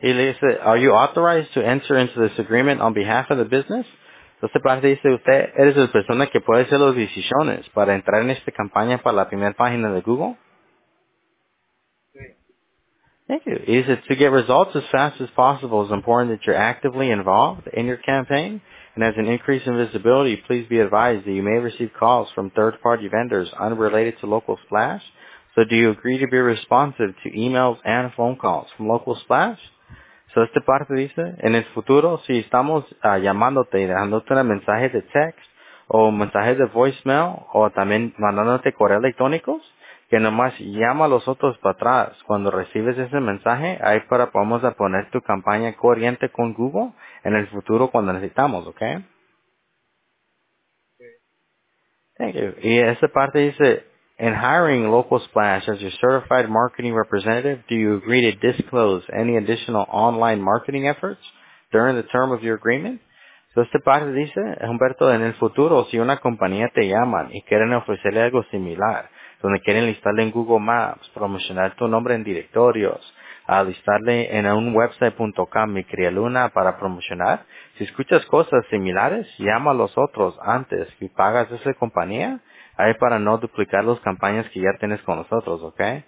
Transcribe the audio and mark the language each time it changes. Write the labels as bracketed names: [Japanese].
[Spanish] Y le dice, [English] are you authorized to enter into this agreement on behalf of the business? [Spanish] Entonces, parte dice, usted, eres la persona que puede hacer las decisiones para entrar en esta campaña para la primera página de Google. [English] Thank you. He said, to get results as fast as possible, it's important that you're actively involved in your campaign. And as an increase in visibility, please be advised that you may receive calls from third-party vendors unrelated to Local Splash. So do you agree to be responsive to emails and phone calls from Local Splash? [Spanish] So esta parte dice, en el futuro, si estamos llamándote y dándote un mensaje de text o un mensaje de voicemail o también mandándote correo electrónico, que nomás llama a los otros para atrás. Cuando recibes ese mensaje, ahí para podemos a poner tu campaña corriente con Google en el futuro cuando necesitamos, ¿ok? Sí. [English] Thank you. [Spanish] Y esa parte dice, [English] in hiring Local Splash as your certified marketing representative, do you agree to disclose any additional online marketing efforts during the term of your agreement? [Spanish] So esta parte dice, Humberto, en el futuro, si una compañía te llama y quieren ofrecerle algo similar, donde quieren listarle en Google Maps, promocionar tu nombre en directorios, a listarle en un website.com, mi cría Luna, para promocionar. Si escuchas cosas similares, llama a los otros antes que pagas esa compañía, ahí para no duplicar las campañas que ya tienes con nosotros, ¿ok?